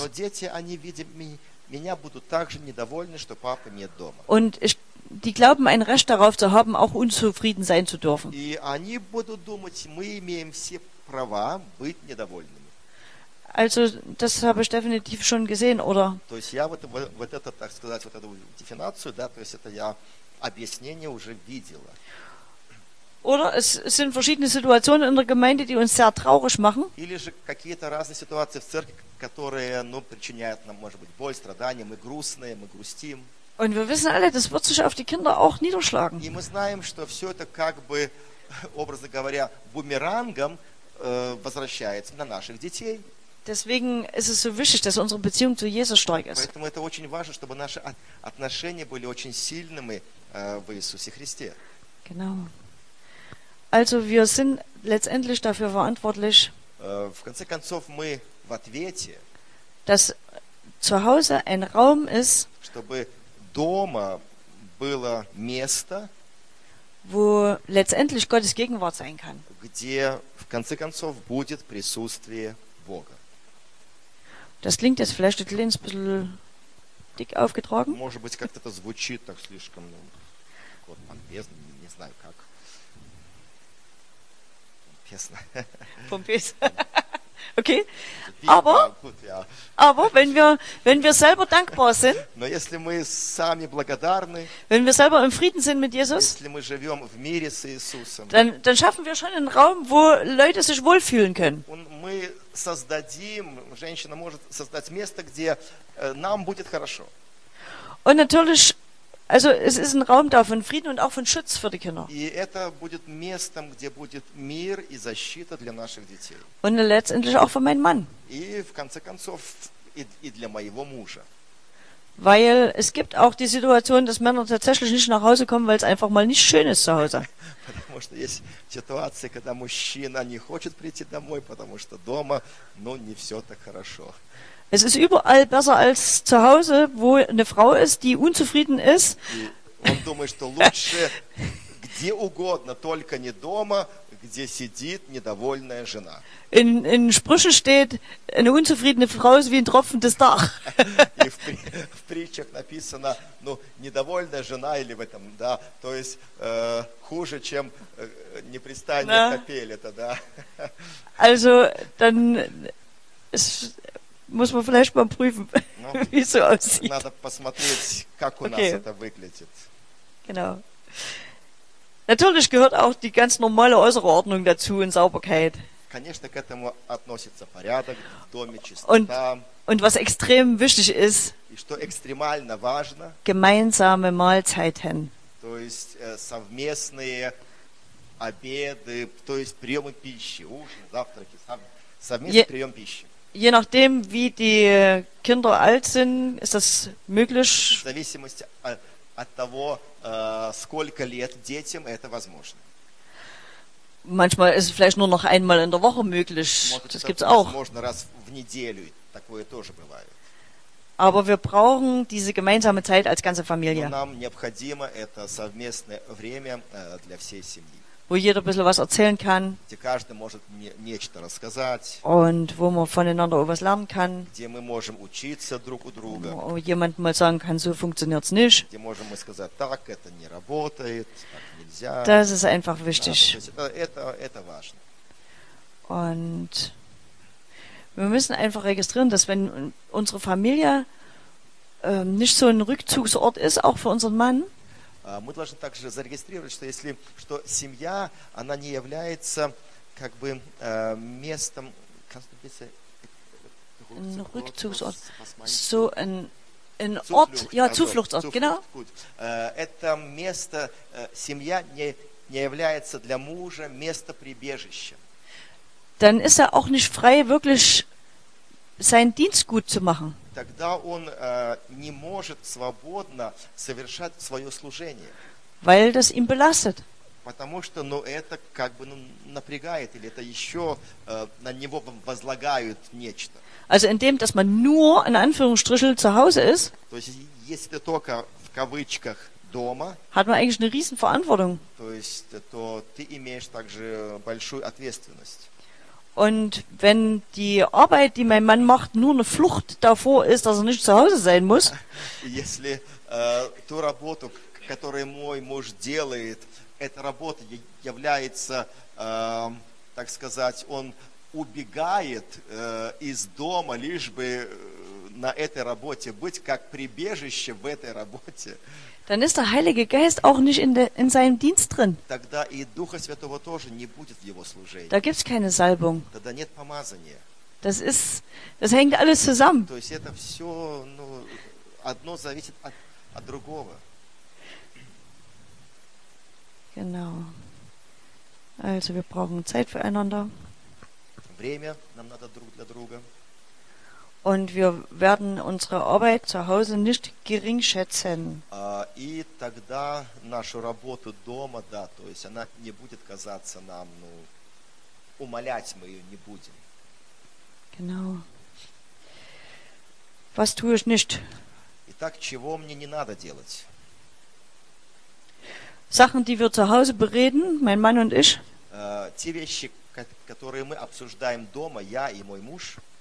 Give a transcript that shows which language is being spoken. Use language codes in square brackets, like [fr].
[ru] Но дети, они видят меня, будут также недовольны, что папа нет дома. [de] Und ich Die glauben, ein Recht darauf zu haben, auch unzufrieden sein zu dürfen. [ru] И они будут думать, мы имеем все права быть недовольными. [de] Also, das habe ich definitiv schon gesehen, oder? [ru] То есть я вот это, так сказать, вот эту дефинацию, да, то есть это я объяснение уже видела. [de] Oder es sind verschiedene Situationen in der Gemeinde, die uns sehr traurig machen. [ru] Или же какие-то разные ситуации в церкви, которые, ну, причиняют нам, может быть, боль, страдания, мы грустные, мы грустим. [de] Und wir wissen alle, das wird sich auf die Kinder auch niederschlagen. [ru] И мы знаем, что все это как бы, образно говоря, бумерангом возвращается на наших детей. [de] Deswegen ist es so wichtig, dass unsere Beziehung zu Jesus stark ist. [ru] Поэтому это очень важно, чтобы наши отношения были очень сильными в Иисусе Христе. [de] Genau. Also wir sind letztendlich dafür verantwortlich. [ru] В конце концов, мы в ответе. [de] Dass zu Hause ein Raum ist. [ru] Чтобы дома было место, [de] wo letztendlich Gottes Gegenwart sein kann. [ru] Где в конце концов будет присутствие Бога. [de] Das klingt jetzt vielleicht ein bisschen dick aufgetragen. [ru] Может быть, как-то это звучит так слишком, ну, вот, помпезно, не знаю как. Помпезно. Помпезно. [de] Okay, aber wenn wir selber dankbar sind, [ru] но если мы сами благодарны, [de] wenn wir selber im Frieden sind mit Jesus, [ru] если мы живем в мире с Иисусом, [de] dann schaffen wir schon einen Raum, wo Leute sich wohlfühlen können. Und [ru] мы создадим, женщина может создать место, где нам будет хорошо. [de] Und natürlich, also es ist ein Raum da von Frieden und auch von Schutz für die Kinder. [ru] И это будет местом, где будет мир и защита для наших детей. [de] Und letztendlich auch für meinen Mann. [ru] И в конце концов и для моего мужа. [de] Weil es gibt auch die Situation, dass Männer tatsächlich nicht nach Hause kommen, weil es einfach mal nicht schön ist zu Hause. [ru] Потому что есть ситуации, когда мужчина не хочет прийти домой, потому что дома, ну, не все так хорошо. [de] Es ist überall besser als zu Hause, wo eine Frau ist, die unzufrieden ist. Und [ru] думаешь, что лучше, Где угодно, только не дома, где сидит недовольная жена. [de] In Sprüchen steht, eine unzufriedene Frau ist wie ein tropfendes Dach. [ru] И в притчах написано, ну, недовольная жена или в этом, да, то есть хуже, чем непрестанная капель, это да. [de] Also, dann muss man vielleicht mal prüfen, wie es so aussieht. [ru] Надо посмотреть, как у нас это выглядит. [de] Genau. Natürlich gehört auch die ganz normale äußere Ordnung dazu und Sauberkeit. [ru] Конечно, к этому относится порядок в доме, чистота. [de] Und was extrem wichtig ist, [ru] и что экстремально важно, [de] gemeinsame Mahlzeiten. [ru] То есть совместные обеды, то есть приемы пищи, ужин, завтраки, совместный прием пищи. [de] Je nachdem, wie die Kinder alt sind, ist das möglich. [ru] В зависимости от того, сколько лет детям, это возможно. [de] Manchmal ist es vielleicht nur noch einmal in der Woche möglich. Das gibt's auch. [ru] Возможно, раз в неделю такое тоже бывает. [de] Aber wir brauchen diese gemeinsame Zeit als ganze Familie. [ru] Но нам необходимо это совместное время для всей семьи. [de] Wo jeder ein bisschen was erzählen kann. [ru] Где каждый может нечто рассказать. [de] Und wo man voneinander was lernen kann. [ru] Где мы можем учиться друг у друга. [de] Wo jemand mal sagen kann, so funktioniert's nicht. [ru] Где можем мы сказать, так это не работает, так нельзя. [de] Das ist einfach wichtig. [ru] Это важно. [de] Und wir müssen einfach registrieren, dass wenn unsere Familie nicht so ein Rückzugsort ist, auch für unseren Mann, [ru] мы должны также зарегистрировать, что если что семья, она не является как бы местом, как это называется, [de] Rückzugsort, so ein Ort, ja, Zufluchtsort, genau. [ru] Это место, семья не является для мужа место прибежища. [de] Dann ist er auch nicht frei, wirklich seinen Dienst gut zu machen. [ru] Тогда он не может свободно совершать свое служение. [de] Weil das ihn belastet. [ru] Потому что, ну, это как бы, ну, напрягает, или это еще на него возлагают нечто. [de] Also indem, dass man nur, in Anführungsstrichen, zu Hause ist, [ru] то есть, если только в кавычках дома, [de] hat man eigentlich eine Riesenverantwortung. [ru] То есть, то ты имеешь также большую ответственность. [de] Und wenn die Arbeit, die mein Mann macht, nur eine Flucht davor ist, dass er nicht zu Hause sein muss, [ru] если ту работу, которую мой муж делает, эта работа является, так сказать, он убегает из дома, лишь бы на этой работе быть, как прибежище в этой работе, [de] dann ist der Heilige Geist auch nicht in seinem Dienst drin. [ru] Тогда и Духа Святого тоже не будет в его служении. [de] Da gibt's keine Salbung. [ru] Тогда нет помазания. [de] Das hängt alles zusammen. [ru] То есть это все, ну, одно зависит от другого. [de] Genau. Also wir brauchen Zeit füreinander. [ru] Время нам надо друг для друга. [de] Und wir werden unsere Arbeit zu Hause nicht geringschätzen. [ru] И тогда нашу работу дома, да, то есть она не будет казаться нам, ну, умолять мы ее не будем. [de] Genau. Was tue ich nicht? [ru] Итак, чего мне не надо делать? [de] Sachen, die wir zu Hause bereden, mein Mann und ich. [ru] Те вещи, которые мы обсуждаем дома, я и мой муж.